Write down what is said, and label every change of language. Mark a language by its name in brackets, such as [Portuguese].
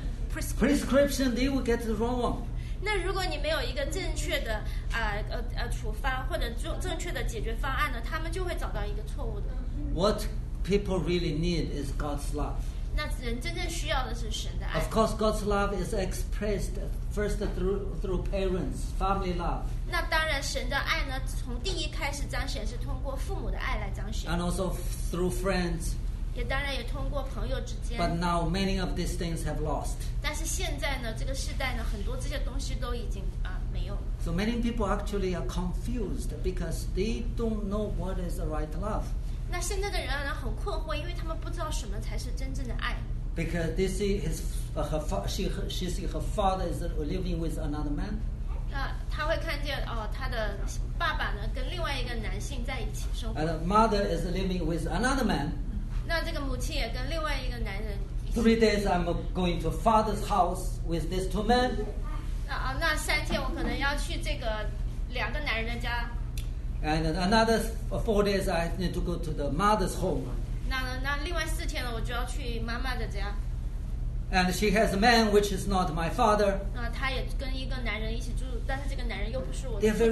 [English] Prescription, they will get the wrong one. [Chinese] 那如果你没有一个正确的处方或者正确的解决方案呢，他们就会找到一个错误的。 [English] What people really need is God's love. [Chinese] 那人真正需要的是神的爱。 [English] Of course, God's love is expressed first through parents, family love. [Chinese] 那当然，神的爱呢，从第一开始彰显是通过父母的爱来彰显。 [English] And also through friends. [Chinese] 也当然也通过朋友之间。 [English] But now many of these things have lost. [Chinese] 但是现在呢，这个时代呢，很多这些东西都已经没有了。 [English] So many people actually are confused because they don't know what is the right love. [Chinese] 那现在的人呢，很困惑，因为他们不知道什么才是真正的爱。 [English] Because they see she see her father is living with another man. [Chinese] 那他会看见他的爸爸呢跟另外一个男性在一起生活。 [English] And mother is living with another man. [Chinese] 那这个母亲也跟另外一个男人。 [English] Three days I'm going to father's house with these two men. [Chinese] 那三天我可能要去这个两个男人的家。 [English] And another 4 days I need to go to the mother's home. [Chinese] 那另外四天呢，我就要去妈妈的家。 [English] And she has a man which is not my father. [Chinese] 那她也跟一个男人一起住，但是这个男人又不是我的父亲。